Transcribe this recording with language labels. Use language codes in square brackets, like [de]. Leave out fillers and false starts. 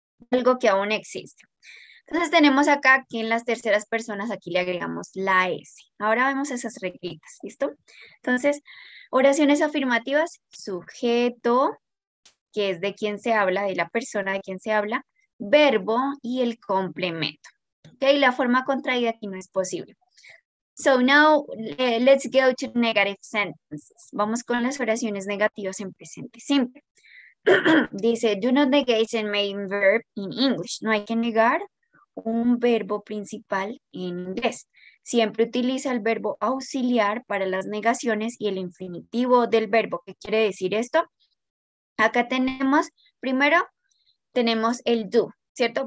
[es] Algo que aún existe. Entonces tenemos acá que en las terceras personas aquí le agregamos la S. Ahora vemos esas reglitas, ¿listo? Entonces, oraciones afirmativas, sujeto, que es de quién se habla, de la persona de quién se habla, verbo y el complemento. Ok, la forma contraída aquí no es posible. [en] So now, let's go to negative sentences. [es] Vamos con las oraciones negativas en presente simple. Dice, [en] do not negate the main verb in English. [es] No hay que negar un verbo principal en inglés. Siempre utiliza el verbo auxiliar para las negaciones y el infinitivo del verbo. ¿Qué quiere decir esto? Acá tenemos, primero, tenemos el do, ¿cierto?